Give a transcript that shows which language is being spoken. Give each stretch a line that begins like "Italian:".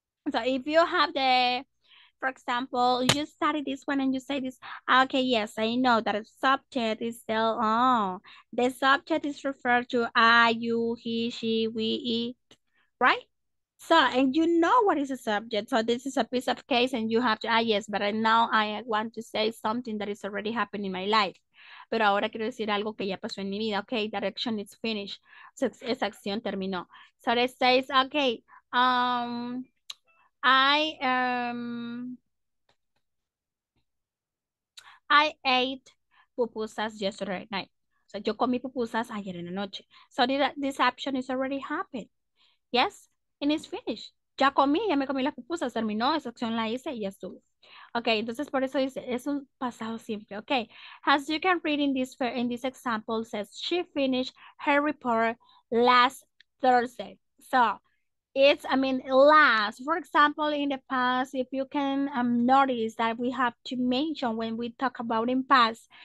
English: So if you have the, for example, you study this one and you say this, okay, yes, I know that a subject is still, oh, the subject is referred to I, you, he, she, we, it, right? So, and you know what is a subject. So this is a piece of case and you have to, ah, yes, but now I want to say something that is already happened in my life.
Spanish: Pero ahora quiero decir algo que ya pasó en mi vida.
English: Okay, that action is finished. So
Spanish: esa acción terminó.
English: So it says, okay, I ate pupusas yesterday night.
Spanish: So yo comí pupusas ayer en la noche.
English: So this action is already happened. Yes, and it's finished.
Spanish: Ya me comí las pupusas, terminó, esa acción la hice y ya estuvo. Okay, entonces por eso dice, es un pasado simple.
English: Okay, as you can read in this example, says she finished her report last Thursday. So it's, I mean, last. For example, in the past, if you can notice that we have to mention when we talk about in past.